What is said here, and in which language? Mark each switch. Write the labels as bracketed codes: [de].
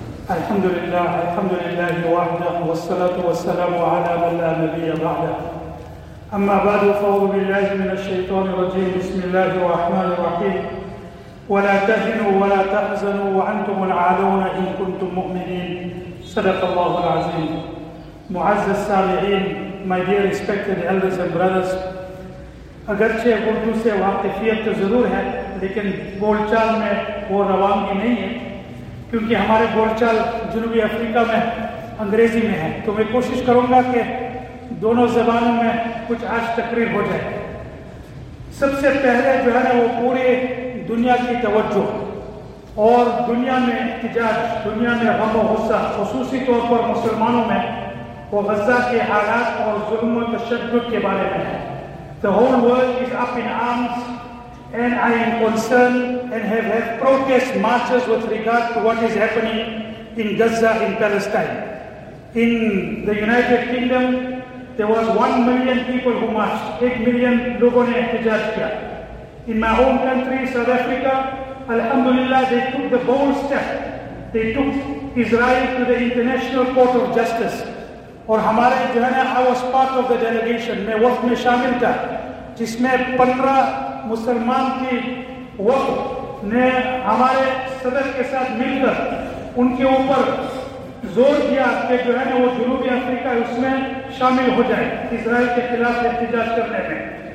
[ar] الحمد لله وحده، والصلاة والسلام على من لا نبي بعده. أما بعد، فأعوذ بالله من الشيطان الرجيم. بسم الله الرحمن الرحيم. ولا تهنوا ولا تحزنوا وأنتم الأعلون إن كنتم مؤمنين. صدق الله العظيم. [ur] معز السامعين، [en] my dear respected elders and brothers، [ur] اگرچہ اردو سے واقفیت ضرور ہے لیکن بول چال میں وہ روانگی نہیں ہے، کیونکہ ہمارے بول چال جنوبی افریقہ میں انگریزی میں ہے، تو میں کوشش کروں گا کہ دونوں زبانوں میں کچھ آج تقریر ہو جائے. سب سے پہلے جو ہے وہ پورے دنیا کی توجہ اور دنیا میں احتجاج، دنیا میں غم و غصہ، خصوصی طور پر مسلمانوں میں، وہ غزہ کے حالات اور ظلم و تشدد کے بارے میں ہے. [en] The whole world is up in arms and I am concerned and have had protest marches with regard to what is happening in Gaza, in Palestine. In the United Kingdom, there was 1 million people who marched. 8 million [ur] logon ne ehtijaj kiya. [en] In my own country, South Africa, Alhamdulillah, they took the bold step. They took Israel to the International Court of Justice. [ur] اور ہمارے جو ہے نا، [en] I was part of the delegation, [ur] میں وقت میں شامل تھا، جس میں 15 مسلمان کی وقت نے ہمارے صدر کے ساتھ مل کر ان کے اوپر زور دیا کہ جو ہے نا وہ جنوبی افریقہ اس میں شامل ہو جائے اسرائیل کے خلاف احتجاج کرنے میں.